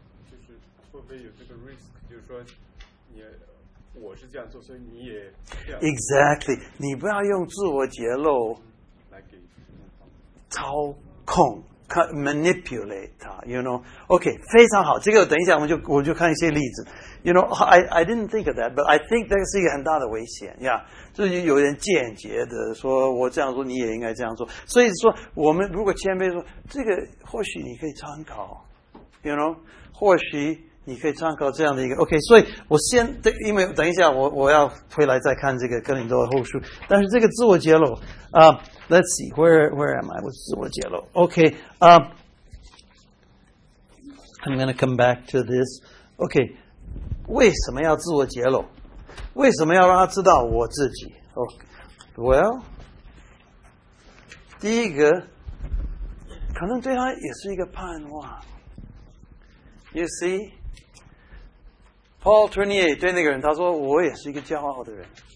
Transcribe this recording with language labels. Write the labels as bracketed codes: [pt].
[zh] 就是会不会有这个 risk, 就是说你我是这样做，所以你也这样。 Exactly, 你不要用自我揭露来给操控。 [en] Manipulate 他 ，you know？OK，、okay, [zh] 非常好。这个等一下我就看一些例子。 [en] You know，I didn't think of that， but I think [zh] 这个是一个很大的危险呀。 Yeah, 就是有人间接的说，我这样说你也应该这样做。所以说，我们如果谦卑说，这个或许你可以参考 ，you know？或许你可以参考这样的一个 OK。所以我先因为等一下我要回来再看这个哥林多后书，但是这个自我揭露啊。 [en] Let's see, where am I? [zh] 我自我揭露。 [en] Okay, I'm going to come back to this. [zh] Okay, 为什么要自我揭露？为什么要让他知道我自己？ [en] Okay. [zh] Well, 第一个，可能对他也是一个盼望。 You see, Paul Tournier 对那个人他说我也是一个骄傲的人。